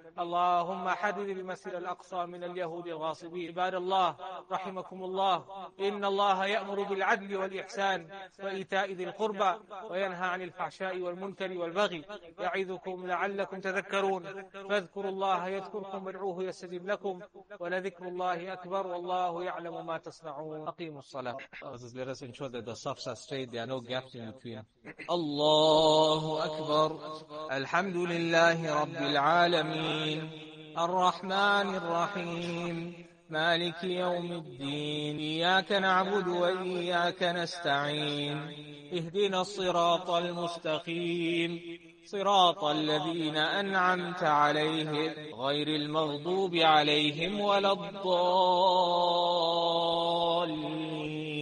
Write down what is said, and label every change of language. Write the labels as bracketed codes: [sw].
[ar] اللهم حرر المسجد الأقصى من اليهود الغاصبين عباد الله رحمكم الله إن الله يأمر بالعدل والإحسان وإيتاء ذي القربى وينهى عن الفحشاء والمنكر والبغي يعظكم لعلكم تذكرون فاذكروا الله يذكركم وادعوه يستجب لكم ولذكر الله أكبر والله يعلم ما تصنعون أقيم الصلاة. [en] Let us ensure that the safs are straight. There are no gaps in between. [ar] الله أكبر الحمد لله رب العالمين الرحمن الرحيم مالك يوم الدين إياك نعبد وإياك نستعين اهدنا الصراط المستقيم صراط الذين أنعمت عليهم غير المغضوب عليهم ولا الضالين